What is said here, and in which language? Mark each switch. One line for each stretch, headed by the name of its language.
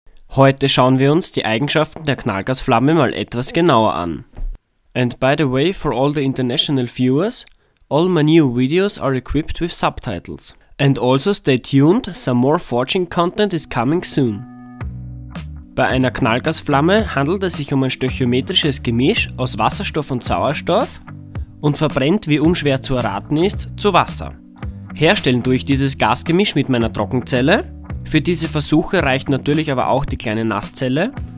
German: Heute schauen wir uns die Eigenschaften der Knallgasflamme mal etwas genauer an.
English: And by the way, for all the international viewers, all my new videos are equipped with subtitles. And also stay tuned, some more forging content is coming soon.
German: Bei einer Knallgasflamme handelt es sich um ein stöchiometrisches Gemisch aus Wasserstoff und Sauerstoff und verbrennt, wie unschwer zu erraten ist, zu Wasser. Herstellen tue ich dieses Gasgemisch mit meiner Trockenzelle. Für diese Versuche reicht natürlich aber auch die kleine Nasszelle.